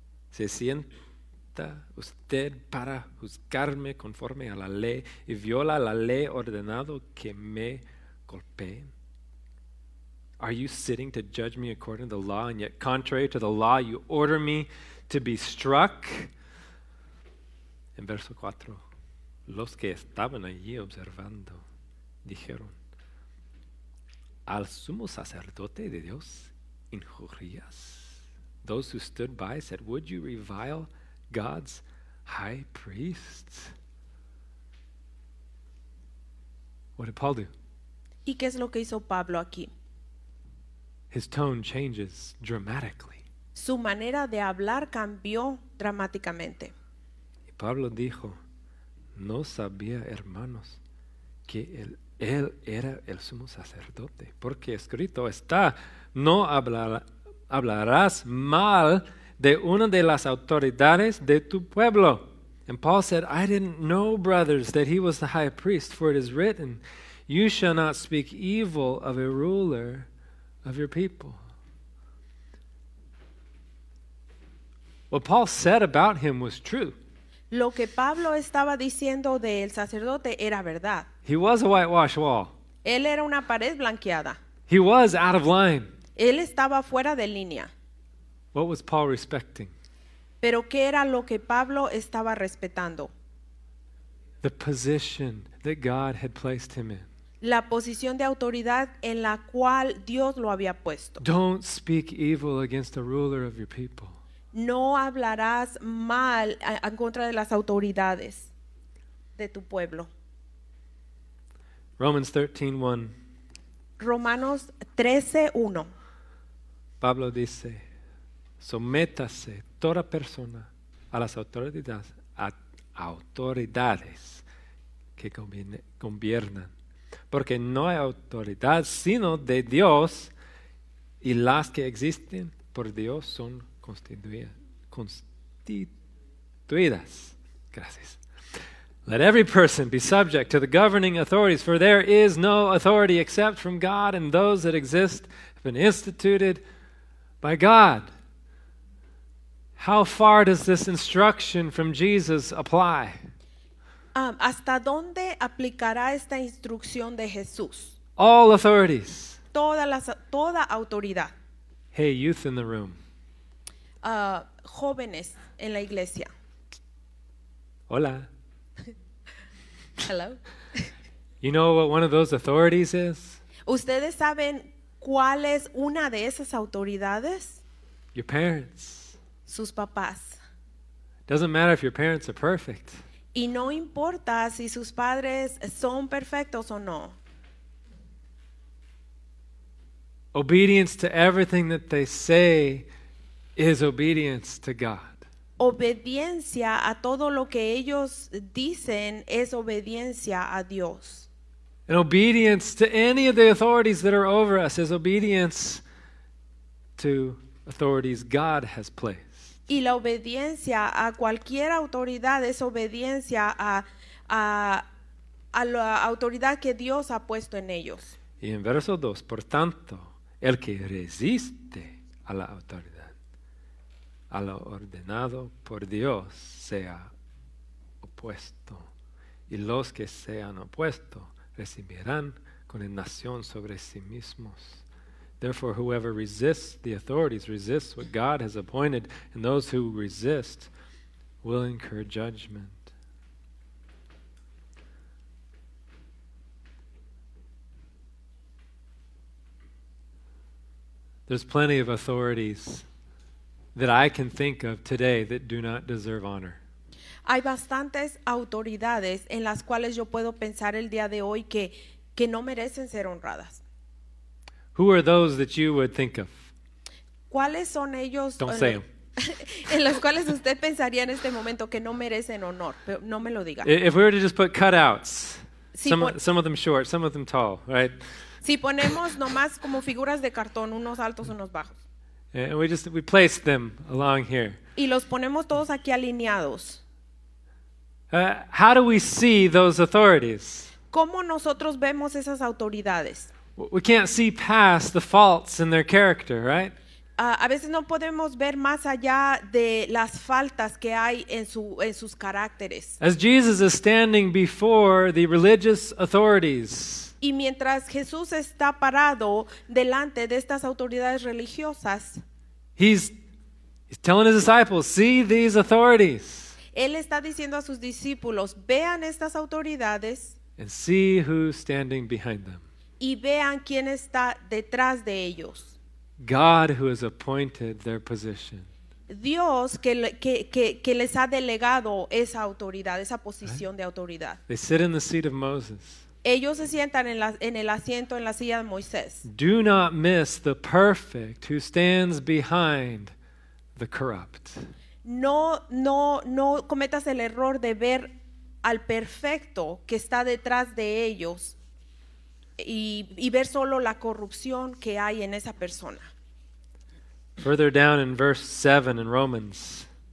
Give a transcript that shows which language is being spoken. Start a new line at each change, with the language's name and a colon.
Spanish: Se sienta usted para juzgarme conforme a la ley y viola la ley ordenado que me golpee.
English: Are you sitting to judge me according to the law, and yet contrary to the law you order me to be struck?
Spanish: En verso 4, los que estaban allí observando dijeron, al sumo sacerdote de Dios injurias.
English: Those who stood by said, would you revile God's high priest? What did Paul do?
Spanish: ¿Y qué es lo que hizo Pablo aquí?
English: His tone changes dramatically.
Spanish: Su manera de hablar cambió dramáticamente. Y Pablo dijo, no sabía, hermanos, que él era el sumo sacerdote, porque escrito está, no hablará hablarás mal de una de las autoridades de tu pueblo.
English: And Paul said, I didn't know, brothers, that he was the high priest, for it is written, you shall not speak evil of a ruler of your people. What Paul said about him was true.
Spanish: Lo que Pablo estaba diciendo del sacerdote era verdad.
English: He was a whitewashed wall.
Spanish: Él era una pared blanqueada.
English: He was out of line.
Spanish: Él estaba fuera de línea.
English: What was Paul respecting?
Spanish: Pero ¿qué era lo que Pablo estaba respetando?
English: The position that God had placed him in.
Spanish: La posición de autoridad en la cual Dios lo había puesto.
English: Don't speak evil against the ruler of your people.
Spanish: No hablarás mal en contra de las autoridades de tu pueblo.
English: Romans 13:1.
Spanish: Romanos 13:1. Pablo dice, sométase toda persona a las autoridades, a autoridades que gobiernan, porque no hay autoridad sino de Dios, y las que existen por Dios son constituidas. Gracias.
English: Let every person be subject to the governing authorities, for there is no authority except from God, and those that exist have been instituted by God. How far does this instruction from Jesus apply?
Spanish: ¿Hasta dónde aplicará esta instrucción de Jesús?
English: All authorities.
Spanish: Toda autoridad.
English: Hey, youth in the room.
Spanish: Jóvenes en la iglesia. Hola.
English: Hello. You know what one of those authorities is?
Spanish: ¿Ustedes saben cuál es una de esas autoridades?
English: Your parents.
Spanish: Sus papás.
English: Doesn't matter if your parents are perfect.
Spanish: Y no importa si sus padres son perfectos o no.
English: Obedience to everything that they say is obedience to God.
Spanish: Obediencia a todo lo que ellos dicen es obediencia a Dios.
English: And obedience to any of the authorities that are over us is obedience to authorities God has placed.
Spanish: Y la obediencia a cualquier autoridad es obediencia a la autoridad que Dios ha puesto en ellos. Y en verso 2, por tanto, el que resiste a la autoridad, a lo ordenado por Dios, sea opuesto. Y los que sean opuestos recibirán condenación sobre sí mismos.
English: Therefore, whoever resists the authorities resists what God has appointed, and those who resist will incur judgment. There's plenty of authorities that I can think of today that do not deserve honor.
Spanish: Hay bastantes autoridades en las cuales yo puedo pensar el día de hoy que no merecen ser honradas.
English: Who are those that you would think of?
Spanish: ¿Cuáles son ellos?
English: Don't say them.
Spanish: En los cuales usted pensaría en este momento que no merecen honor, pero no me lo diga.
English: If we were to just put cutouts, some of them short, some of them tall, right?
Spanish: Si ponemos nomás como figuras de cartón, unos altos, unos bajos.
English: And we place them along here.
Spanish: Y los ponemos todos aquí alineados.
English: How do we see those authorities?
Spanish: ¿Cómo nosotros vemos esas autoridades?
English: We can't see past the faults in their character, right?
Spanish: A veces no podemos ver más allá de las faltas que hay en sus caracteres.
English: As Jesus is standing before the religious authorities.
Spanish: Y mientras Jesús está parado delante de estas autoridades religiosas.
English: He's telling his disciples, "See these authorities."
Spanish: Él está diciendo a sus discípulos, "Vean estas autoridades."
English: And see who's standing behind them.
Spanish: Y vean quién está detrás de ellos.
English: God who has appointed their position.
Spanish: Dios que les ha delegado esa autoridad, esa posición,
English: right?
Spanish: De autoridad.
English: They sit in the seat of Moses.
Spanish: Ellos se sientan en la silla de Moisés.
English: Do not miss the perfect who stands behind the corrupt.
Spanish: No cometas el error de ver al perfecto que está detrás de ellos. Y ver solo la corrupción que hay en esa persona.
English: Further down in verse 7 in Romans.